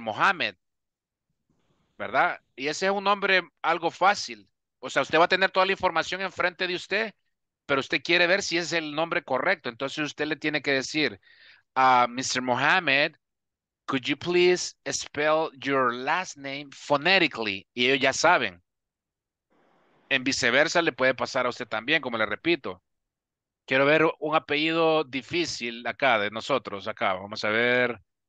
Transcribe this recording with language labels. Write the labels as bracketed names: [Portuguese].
[Spanish] Mohammed, ¿verdad? Y ese es un nombre algo fácil. O sea, usted va a tener toda la información enfrente de usted, pero usted quiere ver si es el nombre correcto. Entonces usted le tiene que decir, Mr. [English] Mohammed, could you please spell your last name phonetically? [Spanish] Y ellos ya saben. En viceversa le puede pasar a usted también, como le repito. Quiero ver un apellido difícil acá, de nosotros, acá. Vamos a ver.